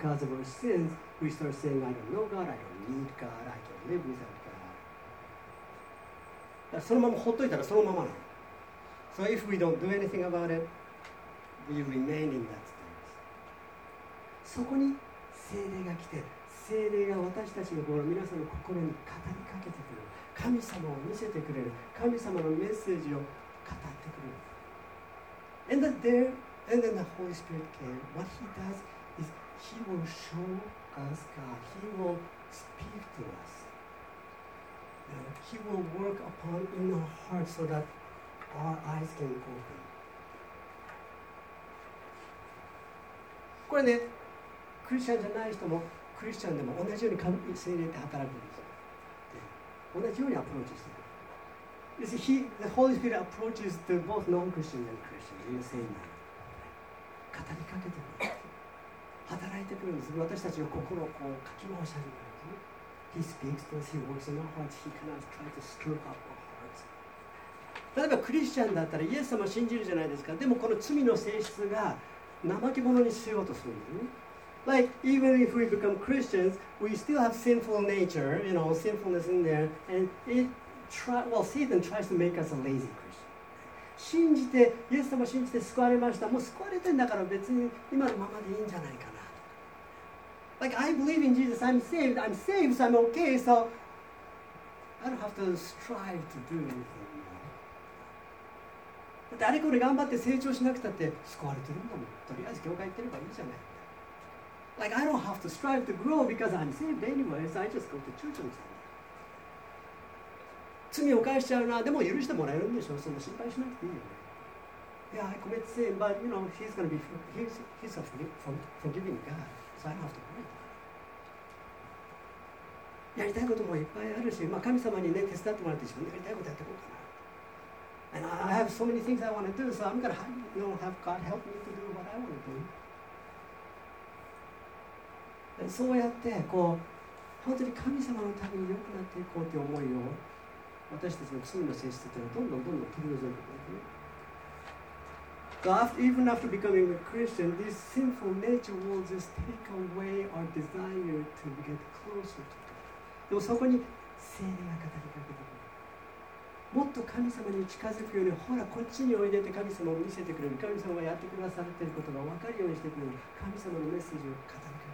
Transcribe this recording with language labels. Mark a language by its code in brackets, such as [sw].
[en] But because of our sins, we start saying, I don't know God, I don't need God, I can live without God. [ja] だからそのままほっといたらそのままない。 [en] So if we don't do anything about it, we remain in that. [ja] そこに聖霊が来て、聖霊が私たちの心、皆さんの心に語りかけてくれる、神様を見せてくれる、神様のメッセージを語ってくれる。 [en] And that there, and then the Holy Spirit came. What he does is he will show us God. He will speak to us. He will work upon in our hearts so that our eyes can open. [ja] これね。クリスチャンじゃない人もクリスチャンでも同じように神聖霊って働くんですよ。で同じようにアプローチしてくる。 [en] You see, he, the Holy Spirit approaches to both non-Christians and Christians in the same way. [ja] 語りかけてくる。働いてくるんです。私たちの心をこうかき回し始めるんです。 [en] He speaks to us, he works in our hearts, he cannot try to stir up our hearts. [ja] 例えばクリスチャンだったらイエス様を信じるじゃないですか。でもこの罪の性質が怠け者にしようとするんですね。 [en] Like even if we become Christians, we still have sinful nature, you know, sinfulness in there, and Satan tries to make us a lazy Christian. [ja] 信じてイエス様信じて救われました。もう救われてんだから別に今のままでいいんじゃないかな。 [en] Like I believe in Jesus, I'm saved, so I'm okay, so I don't have to strive to do anything. [ja] だってあれこれ頑張って成長しなくたって救われてるんだもん。とりあえず教会行ってればいいじゃない。 [en] Like I don't have to strive to grow because I'm saved anyway, so I just go to church on Sunday. [ja] 罪を犯しちゃうな、でも許してもらえるんでしょ、そんな心配しなくていいよね。 [en] Yeah, I commit sin, but you know, he's going to be he's a forgiving God, so I don't have to worry about it. [ja] やりたいこともいっぱいあるし、まあ、神様にね、手伝ってもらって自分でやりたいことやっていこうかな。 [en] And I have so many things I want to do, so I'm going to have, you know, have God help me to do what I want to do. [ja] そうやってこう本当に神様のために良くなっていこうという思いを私たちの罪の性質というのはどんどんどんどん取り除いていく。 [en] So even after becoming a Christian, this sinful nature will just take away our desire to get closer to God. [ja] でもそこに聖霊が語りかけてくる。もっと神様に近づくように、ほらこっちにおいでって神様を見せてくれる。神様がやってくださっていることが分かるようにしてくれる。神様のメッセージを語りかける。